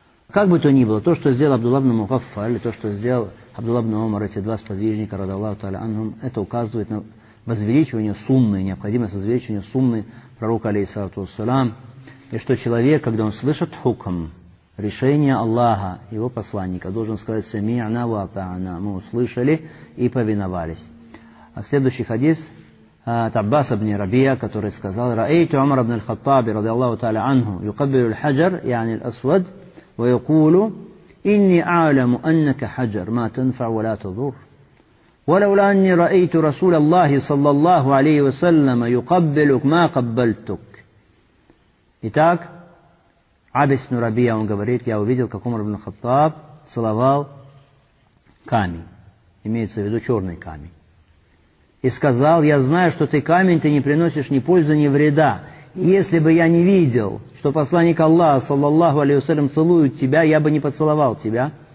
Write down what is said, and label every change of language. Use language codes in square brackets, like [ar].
[ru] Как бы то ни было, то, что сделал Абдулла ибн Мухаффаль, то, что сделал Абдулла ибн Умар, эти два сподвижника, радиаллаху таала анхум, это указывает на возвеличивание сунны, необходимость возвеличивания сунны пророка, алейхиссалату вассалам, и что человек, когда он слышит хукм, решение Аллаха, его посланника, должен сказать [ar] «Сами'на ва ата'на», [ru] мы услышали и повиновались. А следующий хадис от Аббас ибн Рабия, который сказал: [ar] «Раэйту Умар ибн аль-Хаттаби, радиаллаху таала анху, юкаббилу аль-хаджар, яъни аль-асвад, ва якулу, инни а'ламу аннака хаджар, ма танфа'у ва ла тадур». ولولا اني رايت رسول الله صلى الله عليه وسلم يقبلك ما قبلتك. [ru] Итак, Абис ибн Рабия, он говорит, я увидел, как Умар ибн Хаттаб целовал камень, имеется в виду черный камень, и сказал: я знаю, что ты камень, ты не приносишь ни пользы, ни вреда, и если бы я не видел, что посланник Аллаха [ar] صلى الله عليه وسلم [ru] целует тебя, я бы не поцеловал тебя.